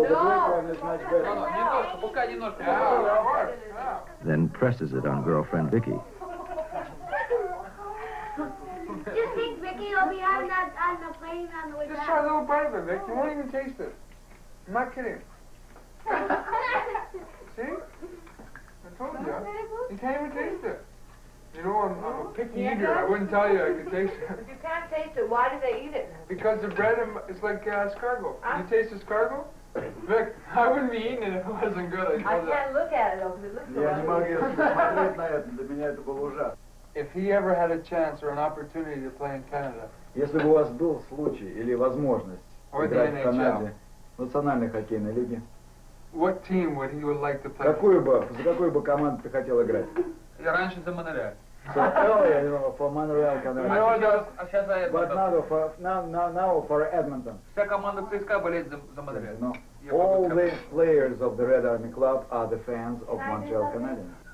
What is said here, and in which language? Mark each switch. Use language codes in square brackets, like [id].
[ru] Немножко, пока немножко. [en] Then presses it on girlfriend Vicky. Do you think Vicky will be on the plane on the way back? Just try a little part of it, Vicky. You won't even taste it. I'm not kidding. See? I told you. You can't even taste it. You know, I'm a picky eater. I wouldn't tell you I could taste it. If you can't taste it, why do they eat it? Because the bread is like escargot. You taste escargot? Vic, I wouldn't be eating it if it wasn't good. I can't look at it, though, because it looks so good. If he ever had a chance or an opportunity to play in Canada. [ru] Если бы у вас был случай или возможность играть в Канаде, в национальной хоккейной лиге, [en] what team would he would like to play? [ru] За какую бы команду ты хотел играть? Я раньше за Монреаль. [en] So, for Montreal Canadiens. But now for Edmonton. [ru] Вся команда ЦСКА болеет за Монреаль. [en] All the players of the Red Army Club are the fans of Montreal Canadiens.